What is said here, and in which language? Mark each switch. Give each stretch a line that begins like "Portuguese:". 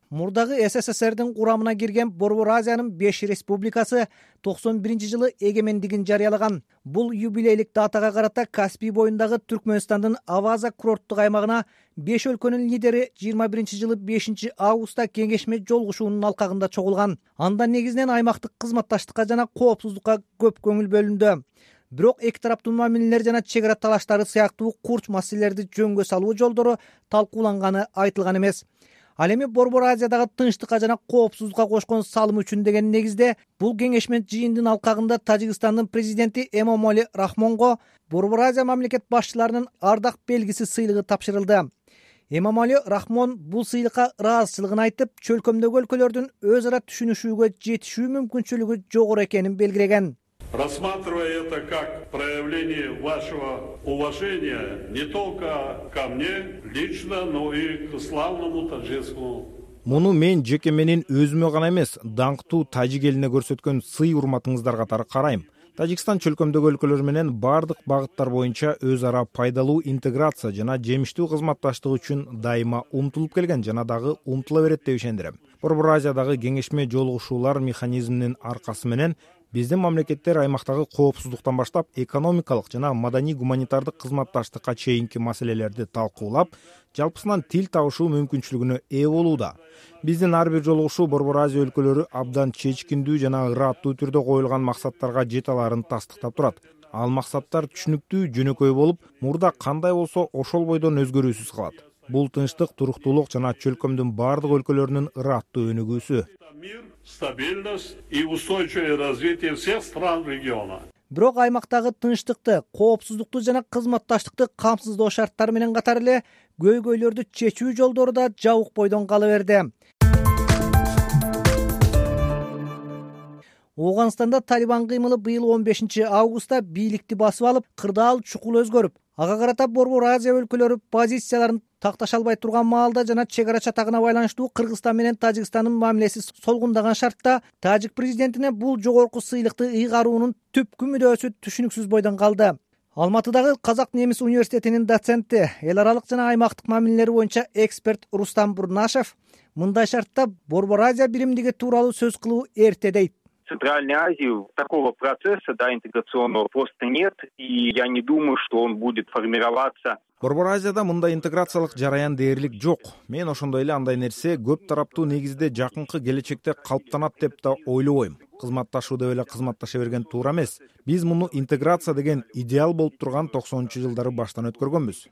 Kyrgyz: Мурдагы СССРдин курамына кирген Борбор Азиянын 5 республикасы 91 жылы эгемендигин жарыялаган. Бул юбилейлик датага карата Каспий боюндагы Түркмөнстандын Аваза курорттук аймагына 5 өлкөнүн лидери 21 жылы 5 августта кеңешме жолугушуунун алкагында чогулган. Анда негизинен аймактык кызматташтыкка жана коопсуздукка көп көңүл бөлүндү. Бирок эки тараптуу мамилелер жана чек ара талаштары сыяктуу курч маселелерди жөнгө салуу жолдору талкууланганы айтылган эмес. Ал эми Борбор Азиядагы тынчтыкка жана коопсуздукка кошкон салымы үчүн деген негизде бул кеңешме жыйындын алкагында Тажикстандын президенти Эмомали Рахмонго Борбор Азия мамлекет башчыларынын ардак белгиси сыйлыгы тапшырылды. Эмомали Рахмон бул сыйлыкка ыраазычылыгын айтып, чөлкөмдөгү өлкөлөрдүн өз ара түшүнүшүүгө жетишүү мүмкүнчүлүгү жогору экенин белгилеген.
Russian: Рассматривая это как проявление вашего уважения не только ко мне лично, но и к славному таджикскому.
Kyrgyz: Муну мен жеке менин өзүмө гана эмес, даңктуу тажик элине көрсөткөн сый урматыңыздар катары карайм. Тажикстан чөлкөмдөгү өлкөлөр менен бардык багыттар боюнча өз ара пайдалуу интеграция жана жемиштүү кызматташтык үчүн дайыма умтулуп келген жана дагы умтула берет деп ишендирем. Борбор Азиядагы кеңешме жолугушуулар механизминин аркасы менен биздин мамлекеттер аймактагы коопсуздуктан баштап экономикалык жана маданий гуманитардык кызматташтыкка чейинки маселелерди талкуулап, жалпысынан тил табышуу мүмкүнчүлүгүнө ээ болууда. Биздин ар бир жолугушуу Борбор Азия өлкөлөрү абдан чечкиндүү жана ыраттуу түрдө коюлган максаттарга жете аларын тастыктап турат. Ал максаттар түшүнүктүү, жөнөкөй болуп, мурда кандай болсо ошол бойдон өзгөрүүсүз калат. Бул тынчтык, туруктуулук жана чөлкөмдүн бардык өлкөлөрүнүн ыраттуу өнүгүүсү.
Russian: Стабильность и устойчивое развитие всех стран региона.
Kyrgyz: Бирок аймактагы тынчтыкты, коопсуздукту жана кызматташтыкты камсыздоо шарттары менен катар эле көйгөйлөрдү чечүү жолдору да жабык бойдон кала берди. Ооганстанда Талибан кыймылы быйыл 15 августта бийликти басып алып, кырдаал чукул өзгөрүп, ага карата Борбор Азия өлкөлөрү позицияларын такташа албай турган маалда жана чек ара чатагына байланыштуу Кыргызстан менен Тажикстандын мамилеси солгундаган шартта Тажик президентине бул жогорку сыйлыкты ыйгаруунун түпкү мүдөөсү түшүнүксүз бойдон калды. Алматыдагы Казак Немис университетинин доценти, эл аралык жана аймактык мамилелер боюнча эксперт Рустам Бурнашев мындай шартта Борбор Азия биримдиги тууралуу сөз кылуу эрте дейт.
Russian: Центральной Азии такого процесса, да, интеграционного просто нет, и я не думаю, что он будет формироваться.
Kyrgyz: Борбор Азияда мындай интеграциялык жараян дээрлик жок. Мен ошондой эле андай нерсе көп тараптуу негизде жакынкы келечекте калыптанат деп да ойлобойм. Кызматташуу деп эле кызматташа берген туура эмес. Биз муну интеграция деген идеал болуп турган 90-чу жылдары баштан өткөргөнбүз.